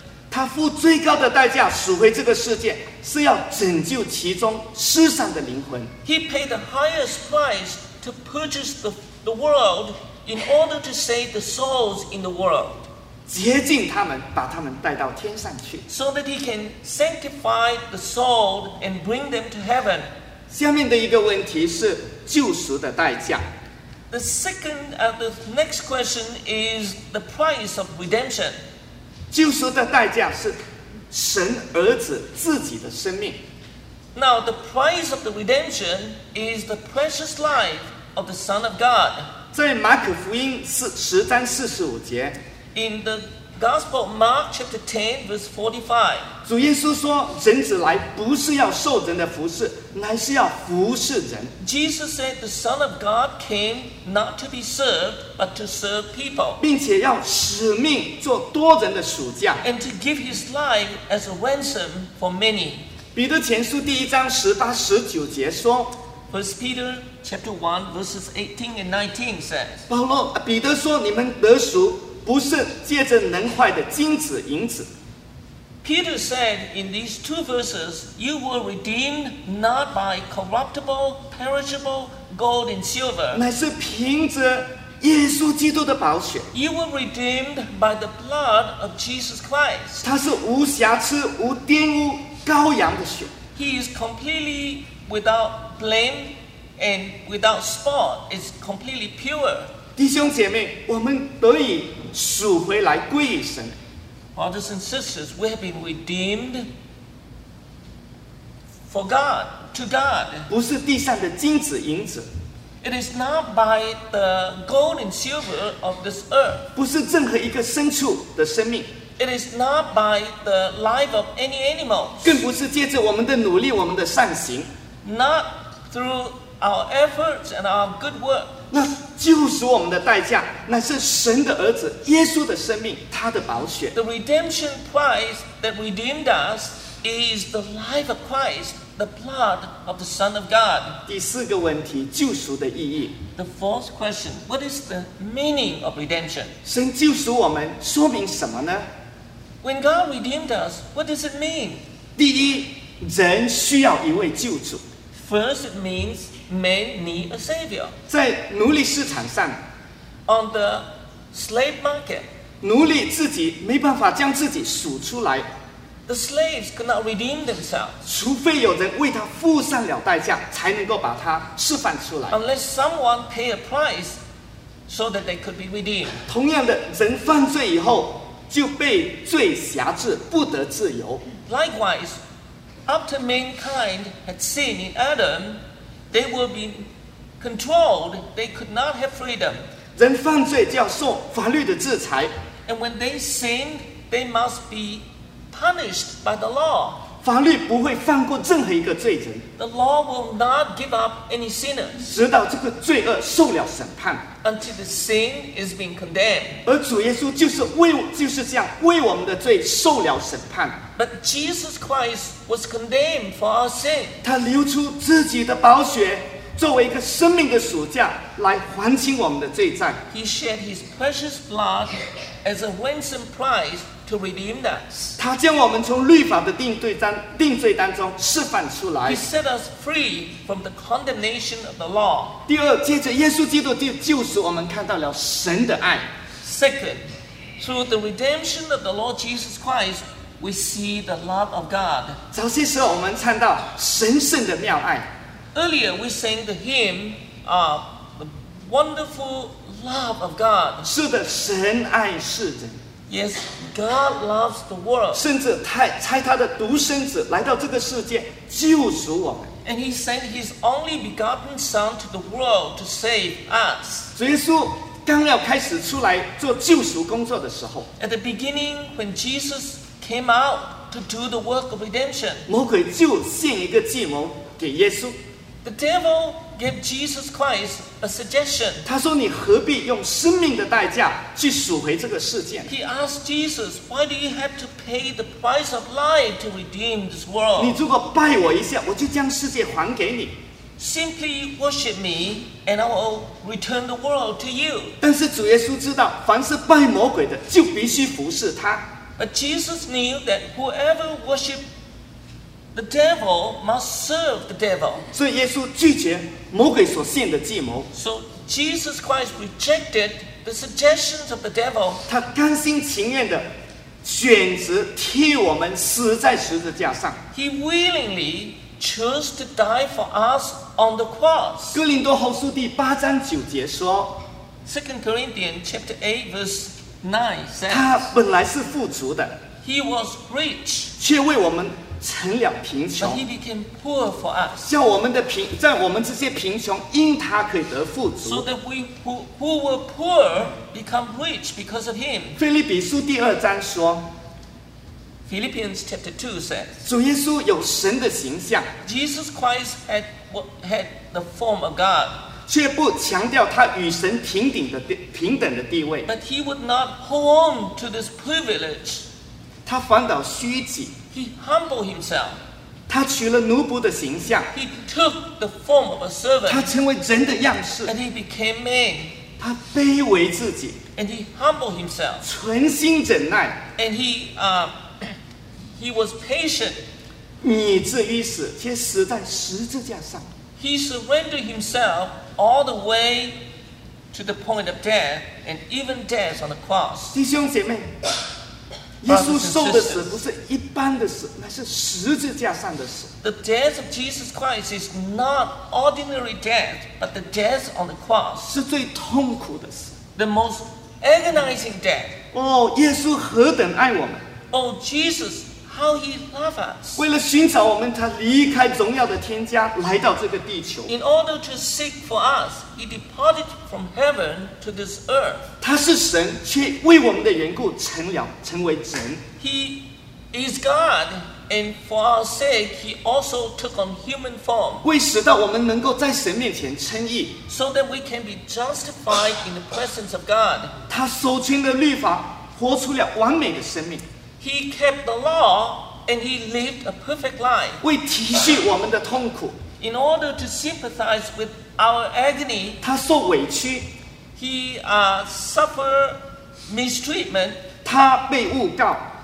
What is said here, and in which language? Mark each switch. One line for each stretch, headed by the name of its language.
Chinese: 他付最高的代价赎回这个世界，是要拯救其中失散的灵魂。
English: He paid the highest price to purchase the world. In order to save the souls in the world,
Chinese: 接近他们，把他们带到天上去。
English: So that he can sanctify the soul and bring them to heaven.
Chinese: 下面的一个问题是救赎的代价。
English: The next question is the price of redemption.
Chinese: 救赎的代价是神儿子自己的生命。
English: Now the price of the redemption is the precious life of the Son of God.
Chinese: 在马可福音十章四十五节
English: ，In the Gospel of Mark chapter 10 verse 45，
Chinese: 主耶稣说：“人子来不是要受人的服侍，乃是要服侍人。”
English: Jesus said the Son of God came not to be served but to serve people，
Chinese: 并且要舍命做多人的赎价
English: ，and to give his life as a ransom for many。
Chinese: 彼得前书第一章十八十九节说。
English: First Peter chapter 1 verses 18 and 19 says,
Chinese: 保罗彼得说你们得赎不是借着能坏的金子银子。
English: Peter said in these two verses, you were redeemed not by corruptible, perishable gold and silver,
Chinese: 乃是凭着耶稣基督的宝血。
English: You were redeemed by the blood of Jesus Christ.
Chinese: 他是无瑕疵无玷污羔羊的血。
English: He is completely without blame and without spot is completely pure.
Chinese: 弟兄姐妹，我们得以赎回来归于神。
English: Brothers and sisters, we have been redeemed for God, to God.
Chinese: 不是地上的金子银子。
English: It is not by the gold and silver of this earth.
Chinese: 不是任何一个牲畜的生命。
English: It is not by the life of any animals.
Chinese: 更不是借着我们的努力，我们的善行。
English: Not through our efforts and our good work.
Chinese: 那救赎我们的代价乃是神的儿子耶稣的生命，他的宝血。
English: The redemption price that redeemed us is the life of Christ, the blood of the Son of God.
Chinese: 第四个问题，救赎的意义。
English: The fourth question, what is the meaning of redemption?
Chinese: 神救赎我们，说明什么呢？
English: When God redeemed us, what does it mean?
Chinese: 第一，人需要一位救主。
English: First, it means men need a savior.
Chinese: 在奴隶市场上
English: On the slave market,
Chinese: 奴隶自己没办法将自己赎出来。
English: The slaves could not redeem themselves.
Chinese: 除非有人为他付上了代价，才能够把他释放出来。
English: Unless someone pay a price so that they could be redeemed.
Chinese: 同样的，人犯罪以后就被罪辖制，不得自由。
English: Likewise, after mankind had sinned in Adam, they would be controlled. They could not have freedom.
Chinese: 人犯罪就要受法律的制裁。
English: And when they sinned, they must be punished by the law.
Chinese: 法律不会放过任何一个罪人。
English: The law will not give up any sinners.
Chinese: 直到这个罪恶受了审判。
English: Until the sin is being condemned.
Chinese: 而主耶稣就是这样为我们的罪受了审判。
English: But Jesus Christ was condemned for our sin.
Chinese: 他流出自己的宝血，作为一个生命的赎价，来还清我们的罪债。
English: He shed his precious blood as a ransom price to redeem us.
Chinese: 他将我们从律法的定罪单中释放出来。
English: He set us free from the condemnation of the law.
Chinese: 第二，借着耶稣基督的救赎，我们看到了神的爱。
English: Second, through the redemption of the Lord Jesus Christ, we see the love of God.
Chinese: 早些时候我们唱到神圣的妙爱。
English: Earlier, we sang the hymn, the wonderful love of God.
Chinese: 是的，神爱世人。
English: Yes, God loves the world.
Chinese: 甚至差他的独生子来到这个世界救赎我们。
English: And he sent his only begotten son to the world to save us.
Chinese: 主耶稣刚要开始出来做救赎工作的时候。
English: At the beginning, when Jesus came out to do the work of redemption.
Chinese: 魔鬼就献一个计谋给耶稣。
English: The devil gave Jesus Christ a suggestion.
Chinese: 他说你何必用生命的代价去赎回这个世界。
English: He asked Jesus, why do you have to pay the price of life to redeem this world?
Chinese: 你如果拜我一下，我就将世界还给你。
English: Simply worship me, and I will return the world to you.
Chinese: 但是主耶稣知道，凡是拜魔鬼的，就必须服侍他。
English: But Jesus knew that whoever worshippedThe devil must serve the devil.
Chinese: 所以耶稣拒绝魔鬼所献的计谋。
English: So Jesus Christ rejected the suggestions of the devil.
Chinese: 他甘心情愿地选择替我们死在十字架上。
English: He willingly chose to die for us on the cross.
Chinese: 哥林多后书第八章九节说
English: ，Second Corinthians chapter 8 verse 9 says.
Chinese: 他本来是富足的
English: ，He was rich.
Chinese: 却为我们成了贫穷。
English: But he became poor for us.
Chinese: 叫我们的贫，在我们这些贫穷，因他可以得富足。
English: So that we who were poor become rich because of him.
Chinese: 腓立比书第二章说
English: ，Philippians chapter 2 says.
Chinese: 主耶稣有神的形象。
English: Jesus Christ had the form of God.
Chinese: 却不强调他与神平等的地位。
English: But he would not hold on to this privilege.
Chinese: 他反倒虚己。
English: He humbled himself.
Chinese: 他取了奴仆的形象。
English: He took the form of a servant.
Chinese: 他成为人的样式。
English: And he became man.
Chinese: 他卑微自己。
English: And he humbled himself.
Chinese: 存心忍耐。
English: And he was patient.
Chinese: 以至于死，且死在十字架上。
English: He surrendered himself all the way to the point of death, and even death on the cross.
Chinese: 弟兄姐妹。耶稣受的死不是一般的死，乃是十字架上的死。
English: The death of Jesus Christ is not ordinary death, but the death on the cross.
Chinese: 是最痛苦的死。
English: The most agonizing death.
Chinese: 哦，耶稣何等爱我们。
English: Oh, Jesus, how he loved us.
Chinese: 为了寻找我们，他离开荣耀的天家，来到这个地球。
English: In order to seek for us, he departed from heaven to this earth.
Chinese: 他是神，却为我们的缘故成为人。
English: He is God, and for our sake, he also took on human form.
Chinese: 为使到我们能够在神面前称义。
English: So that we can be justified in the presence of God.
Chinese: 他守清了律法，活出了完美的生命。
English: He kept the law, and he lived a perfect life.
Chinese: 为体恤我们的痛苦。
English: In order to sympathize with our agony,
Chinese: 他受委屈。
English: He suffered mistreatment.
Chinese: 他被诬告。